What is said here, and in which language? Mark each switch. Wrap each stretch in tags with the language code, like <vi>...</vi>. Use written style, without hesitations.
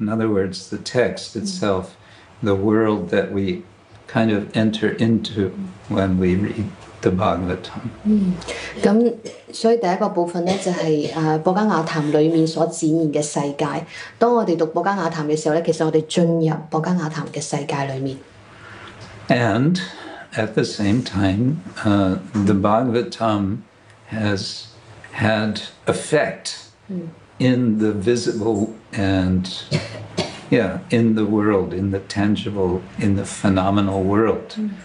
<en>In other words, the text itself, the world that we kind of enter into when we read the Bhagavatam.</en> <zh>所以第一個部分就是博加雅談裡面所展現的世界。當我們讀博加雅談的時候，其實我們進入博加雅談的世界裡面。</zh> <en>And at the same time, the Bhagavatam has had effect in the visible and in the world, in the tangible, in the phenomenal world.</en>